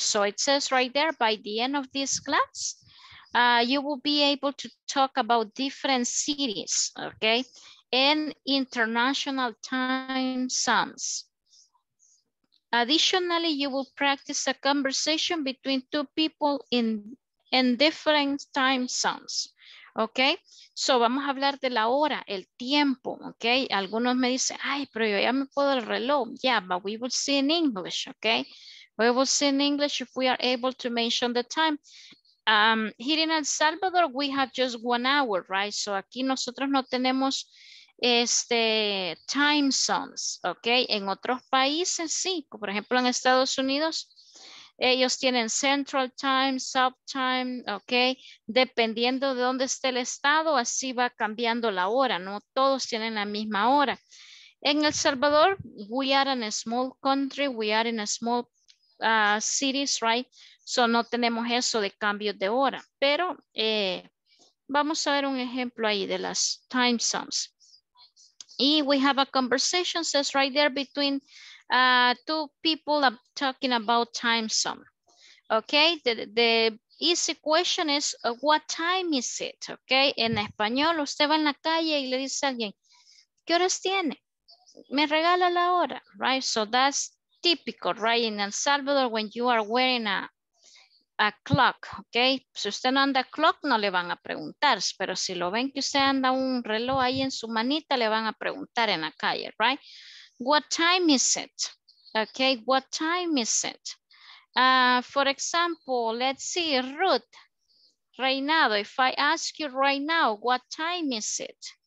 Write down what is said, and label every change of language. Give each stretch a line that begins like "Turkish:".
English: So it says right there, by the end of this class, you will be able to talk about different cities, okay, and international time zones. Additionally, you will practice a conversation between two people in different time zones.
Spanish: Ok, so vamos a hablar de la hora, el tiempo, ok. Algunos me dicen, ay, pero yo ya me puedo el reloj.
English: Yeah, but we will see in English, ok. We will see in English if we are able to mention the time. Here in El Salvador, we have just 1 hour, right?
Spanish: So aquí nosotros no tenemos este time zones, ok. En otros países, sí. Por ejemplo, en Estados Unidos, ellos tienen Central Time, South Time, ok. Dependiendo de dónde esté el estado, así va cambiando la hora, no todos tienen la misma hora.
English: En El Salvador, we are in a small country, we are in a small cities, right?
Spanish: So no tenemos eso de cambio de hora, pero vamos a ver un ejemplo ahí de las time zones.
English: Y we have a conversation, says right there between... two people are talking about time zone. Okay, the easy question is, what time is it?
Spanish: Okay, en español, usted va en la calle y le dice a alguien, ¿qué horas tiene? Me regala la hora,
English: right? So that's typical, right? In El Salvador, when you are wearing a clock, okay?
Spanish: Si usted no anda clock, no le van a preguntar, pero si lo ven que usted anda un reloj ahí en su manita, le van a preguntar en la calle, right?
English: What time is it? Okay, what time is it? For example, let's see, Ruth, Reynaldo, if I ask you right now, what time is it?